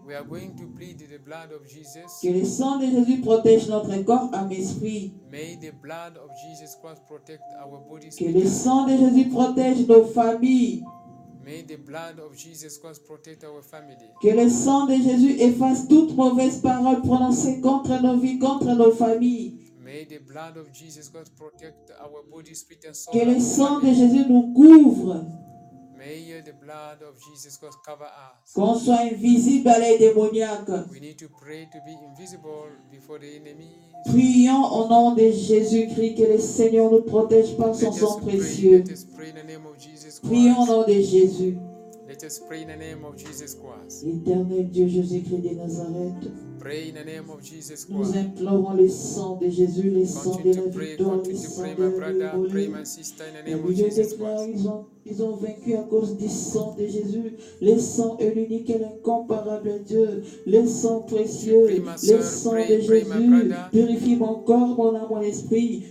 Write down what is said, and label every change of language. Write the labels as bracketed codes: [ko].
[en] We are going to plead the blood of Jesus. [fr] Que le sang de Jésus protège notre corps, âme, esprit. [en] May the blood of Jesus Christ protect our bodies. [fr] Que le sang de Jésus protège nos familles. [en] May the blood of Jesus Christ protect our family. [fr] Que le sang de Jésus efface toute mauvaise parole prononcée contre nos vies, contre nos familles. [en] May the blood of Jesus Christ protect our body, spirit and soul. [fr] Que le sang de Jésus nous couvre. [en] May the blood of Jesus Christ cover us. [fr] Qu'on soit invisible à l'œil démoniaque. [en] We need to pray to be invisible before the enemy. [fr] Prions au nom de Jésus-Christ que le Seigneur nous protège par son sang précieux. [en] Let us pray in the name of Jesus Christ. [fr] Prions au nom de Jésus. [en] Let us pray in the name of Jesus Christ. [fr] Éternel Dieu Jésus-Christ de Nazareth. [en] Pray in the name of Jesus Christ. [fr] Nous implorons le sang de Jésus, le sang de la victoire, le sang de la rédemption. Et je déclare, ils ont vaincu à cause du sang de Jésus. Le sang est l'unique et l'incomparable Dieu. Le sang précieux, le sang de Jésus purifie mon corps, mon âme, mon esprit.